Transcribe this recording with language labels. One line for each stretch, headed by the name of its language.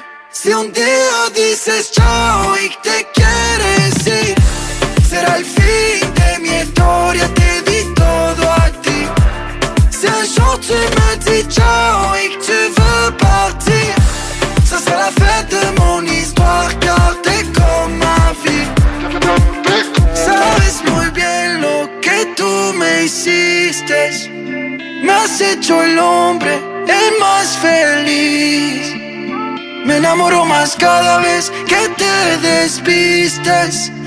Spanish: Si un día dices chao y te quieres ir, será el fin de mi historia, te di todo a ti.
French: Si un jour tu me dis chao y tu veux partir, ça sera la fin de mon histoire, car t'es comme ma vie.
Spanish: Sabes muy bien lo que tú me hiciste. Me has hecho el hombre el más feliz. Me enamoro más cada vez que te despistes.